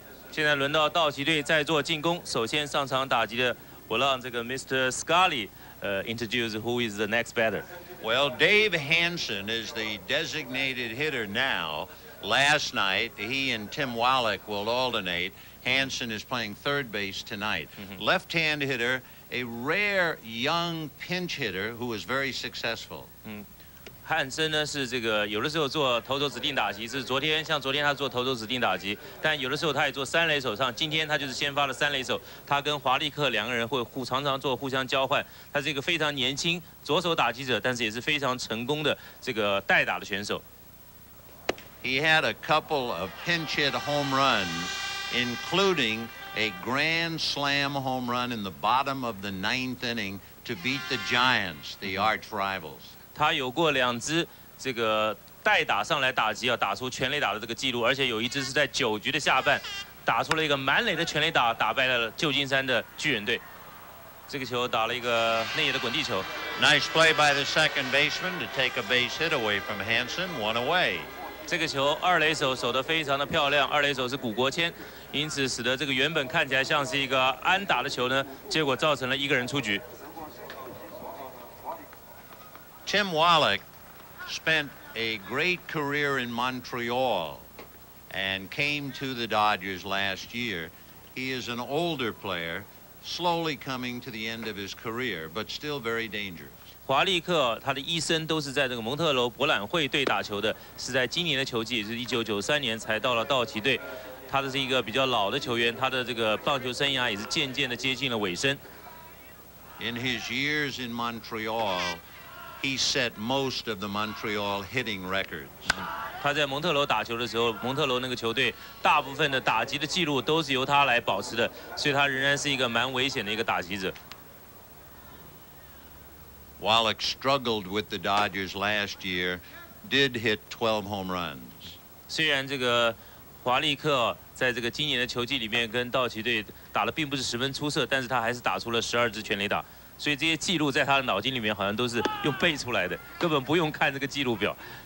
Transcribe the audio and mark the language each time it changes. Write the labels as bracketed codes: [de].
[zh] 现在轮到道奇队在做进攻，首先上场打击的我让这个 Mr. [en] Scully introduce who is the next batter. Well, Dave Hansen is the designated hitter nowLast night, he and Tim Wallach will alternate. Hansen is playing third base tonight. Left-hand hitter, a rare young pinch hitter who was very successful. [zh] Hansen 呢是这个有的时候做投手指定打击，是昨天像昨天他做投手指定打击，但有的时候他也做三垒手上。今天他就是先发了三垒手，他跟华利克两个人会常常做互相交换。他是一个非常年轻左手打击者，但是也是非常成功的这个代打的选手。 [en] He had a couple of pinch hit home runs, including a grand slam home run in the bottom of the ninth inning to beat the Giants, the arch rivals. [zh] 他有过两支这个代打上来打击啊，打出全垒打的这个记录，而且有一支是在九局的下半，打出了一个满垒的全垒打，打败了旧金山的巨人队。这个球打了一个内野的滚地球。 [en] Nice play by the second baseman to take a base hit away from Hanson, one away. [zh] 这个球二垒手守得非常的漂亮，二垒手是谷国谦，因此使得这个原本看起来像是一个安打的球呢，结果造成了一个人出局。 [en] Tim Wallach spent a great career in Montreal and came to the Dodgers last year. He is an older player, slowly coming to the end of his career, but still very dangerous. [zh] 华利克他的一生都是在这个蒙特楼博览会队打球的，是在今年的球季，是1993年才到了道奇队。他的是一个比较老的球员，他的这个棒球生涯也是渐渐的接近了尾声。 [en] In his years in Montreal. He set most of the Montreal hitting records. [zh] 他在蒙特楼打球的时候，蒙特楼那个球队大部分的打击的记录都是由他来保持的，所以他仍然是一个蛮危险的一个打击者。 [en] Wallach struggled with the Dodgers last year, did hit 12 home runs. [zh] 虽然这个华利克在这个今年的球季里面跟道奇队打得并不是十分出色，但是他还是打出了12支全垒打。所以这些记录在他的脑筋里面好像都是用背出来的，根本不用看这个记录表。